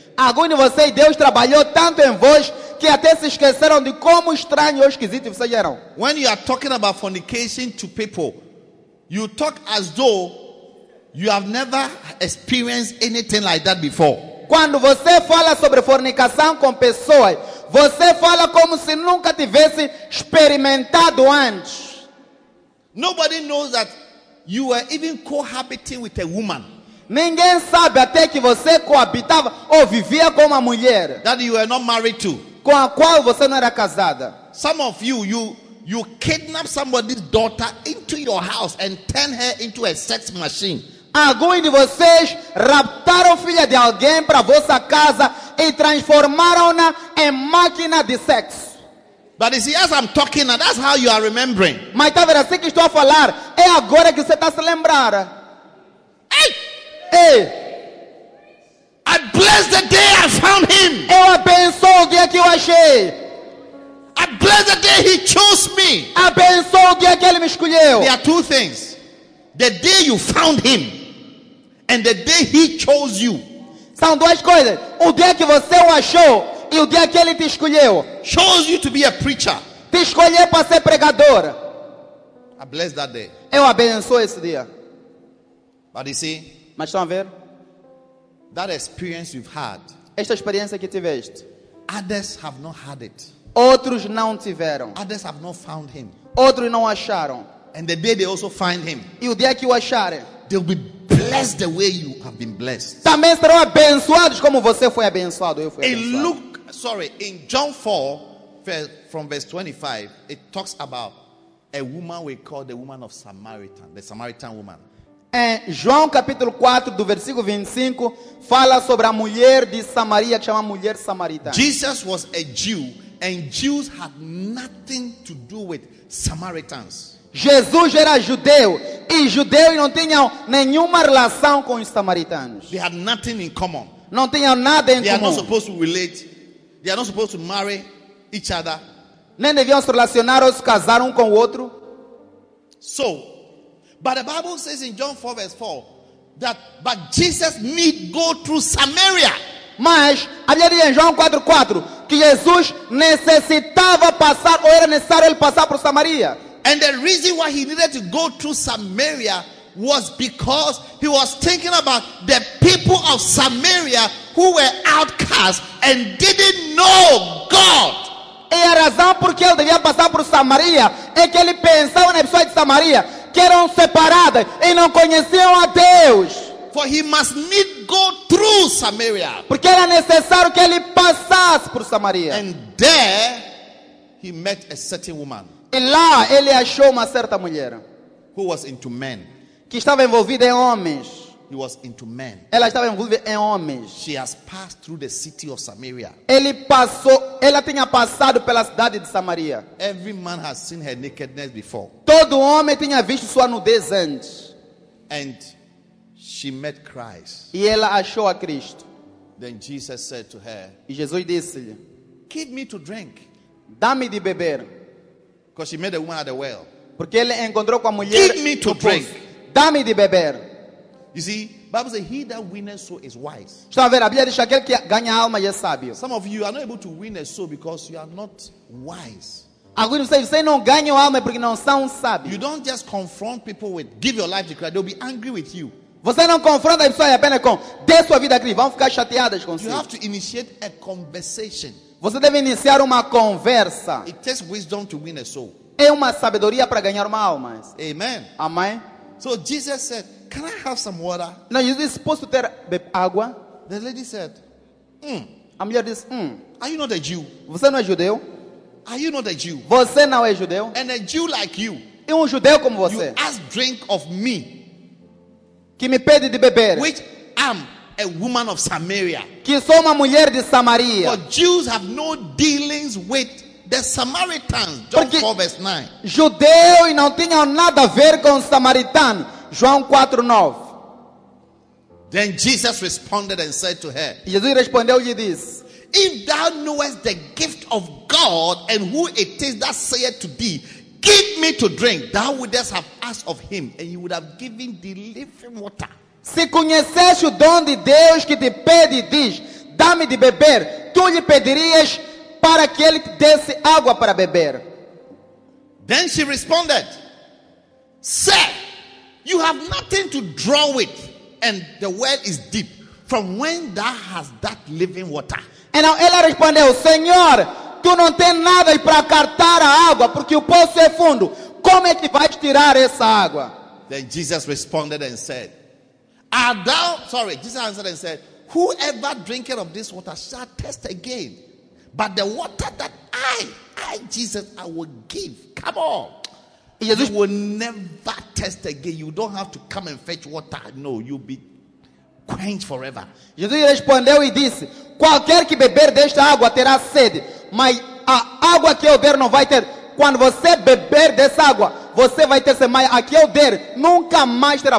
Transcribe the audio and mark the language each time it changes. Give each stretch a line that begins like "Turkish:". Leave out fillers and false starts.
Portuguese: Alguns de vocês, Deus trabalhou tanto em vós que até se esqueceram de como estranho ou esquisito vocês eram.
English: When you are talking about fornication to people, you talk as though you have never experienced anything like that before.
Portuguese: Quando você fala sobre fornicação com pessoas, você fala como se nunca tivesse experimentado antes.
English: Nobody knows that you were even cohabiting with a woman.
Portuguese: Ninguém sabe até que você coabitava ou vivia com uma mulher.
English: That you were not married to.
Portuguese: Com a qual você não era casada.
English: Some of you, you kidnap somebody's daughter into your house and turn her into a sex machine.
Portuguese: Alguns de vocês raptaram filha de alguém para vossa casa e transformaram-na em máquina de sexo.
English: But you see, as I'm talking now, that's how you are remembering.
Portuguese: Mas está vendo assim que estou a falar? É agora que você está a se lembrar. Ei! Ei!
English: I bless the day I found him.
Portuguese: Eu abençoo o dia que eu achei.
English: I bless the day he chose me.
Portuguese: Abençoo o dia que ele me escolheu.
English: There are two things. The day you found him and the day he chose you.
Portuguese: São duas coisas. O dia que você o achou e o dia que ele te escolheu.
English: Chose you to be a preacher.
Portuguese: Te escolheu para ser pregador.
English: I bless that day.
Portuguese: Eu abençoo esse dia.
English: But you see,
Portuguese: mas estão a ver?
English: That experience you've had.
Portuguese: Esta experiência que tiveste.
English: Others have not had it.
Portuguese: Outros não tiveram.
English: Others have not found him.
Portuguese: Outros não acharam.
English: And the day they also find him,
Portuguese: e o dia que o acharem,
English: they'll be blessed the way you have been blessed.
Portuguese: Também serão abençoados como você foi abençoado. Eu fui abençoado.
English: In John 4, from verse 25, it talks about a woman we call the woman of Samaritan, the Samaritan woman.
Portuguese: Em João capítulo 4, do versículo 25, fala sobre a mulher de Samaria, que chama mulher samaritana.
English: Jesus was a Jew, and Jews had nothing to do with Samaritans.
Portuguese: Jesus era judeu e judeus não tinham nenhuma relação com os samaritanos.
English: They had nothing in common.
Portuguese: Não tinham nada em comum.
English: They are not supposed to relate. They are not supposed to marry each other.
Portuguese: Nem deviam se relacionar ou se casar um com o outro.
English: So, but the Bible says in John 4 verse 4 that but Jesus need go through Samaria.
Portuguese: Mas a Bíblia diz em João 4:4 que Jesus necessitava passar ou era necessário ele passar por Samaria.
English: And the reason why he needed to go through Samaria was because he was thinking about the people of Samaria who were outcasts and didn't know God.
Portuguese: E a razão por que ele devia passar por Samaria é que ele pensava na pessoa de Samaria que eram separadas e não conheciam a Deus.
English: For he must need go through Samaria.
Portuguese: Porque era necessário que ele passasse por Samaria.
English: And there he met a certain woman.
Portuguese: E lá ele achou uma certa mulher.
English: Who was into men.
Portuguese: Que estava envolvida em homens.
English: He was into men.
Portuguese: Ela estava envolvida em homens.
English: She has passed through the city of Samaria.
Portuguese: Ela tinha passado pela cidade de Samaria.
English: Every man has seen her nakedness before.
Portuguese: Todo homem tinha visto sua nudez antes.
English: And she met Christ.
Portuguese: E ela achou a Cristo.
English: Then Jesus said to her,
Portuguese: e Jesus disse-lhe,
English: give me to drink.
Portuguese: Dá-me de beber.
English: Because she met a woman at the well.
Portuguese: Porque ele encontrou com a mulher.
English: Give me to drink.
Portuguese: Dá-me de beber.
English: You see, Bible says he that wins soul is wise.
Portuguese: Está a ver, a Bíblia diz aquele que ganha alma é sábio.
English: Some of you are not able to win a soul because you are not wise.
Portuguese: Alguns dizem, você não ganha alma porque não são sábios.
English: You don't just confront people with give your life to Christ, they'll be angry with you.
Portuguese: Você não confronta a pessoa apenas com dê sua vida a Cristo, vão ficar chateadas com você.
English: You have to initiate a conversation.
Portuguese: Você deve iniciar uma conversa.
English: It takes wisdom to win a soul.
Portuguese: É uma sabedoria para ganhar uma alma. Amen. Amém.
English: So Jesus said, "Can I have some water?" Now you're supposed to
Portuguese: ter água.
English: The lady said,
Portuguese: A mulher disse,
English: Are you not a Jew?
Portuguese: Você não é judeu?
English: Are you not a Jew?
Portuguese: Você não é judeu?
English: And a Jew like you.
Portuguese: E judeu como você.
English: You ask drink of me.
Portuguese: Que me pede de beber.
English: Which am a woman of Samaria.
Portuguese: Que sou uma mulher de Samaria.
English: For Jews have no dealings with the Samaritans. John
Portuguese: Porque
English: 4 verse 9.
Portuguese: Judeu e não tinham nada a ver com o samaritano. João 4:9.
English: Then Jesus responded and said to her.
Portuguese: E Jesus respondeu-lhe e disse.
English: If thou knowest the gift of God and who it is that saith to thee, give me to drink, thou wouldest have asked of him and he would have given thee living water.
Portuguese: Se conhecesse o dom de Deus que te pede, diz, dá-me de beber, tu lhe pedirias para que ele te desse água para beber.
English: Then she responded, "Sir, you have nothing to draw with, and the well is deep. From when thou hast that living water?"
Portuguese: E não, ela respondeu, "Senhor, tu não tens nada para cartar a água, porque o poço é fundo. Como é que vais tirar essa água?"
English: Then Jesus responded and said, Jesus answered and said, "Whoever drinketh of this water shall thirst again. But the water that Jesus, I will give." Come on. Jesus, you will never thirst again. You don't have to come and fetch water. No, you'll be quenched forever.
Portuguese: Jesus respondeu e disse, "Qualquer que beber desta água terá sede. Mas a água que eu der não vai ter. Quando você beber dessa água, você vai ter sede. Mas a que eu der nunca mais terá.